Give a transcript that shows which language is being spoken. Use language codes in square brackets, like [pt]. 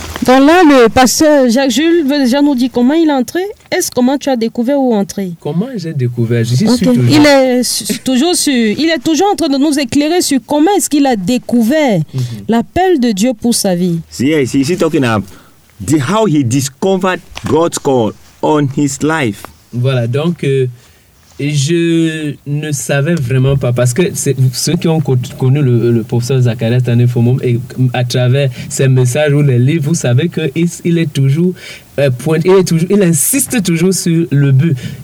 [fr] Donc là, le pasteur Jacques-Jules veut déjà nous dire comment il est entré. Est-ce comment tu as découvert où entrer? Comment j'ai découvert? Je suis toujours. Il est toujours en train de nous éclairer sur comment est-ce qu'il a découvert l'appel de Dieu pour sa vie. [en] Yes, he's talking about how he discovered God's call on his life. [fr] Voilà, donc je ne savais vraiment pas, parce que ceux qui ont connu le professeur Zacharias Tanefomoum et à travers ses messages ou les livres, vous savez qu'il est toujours pointé, il insiste toujours sur le but.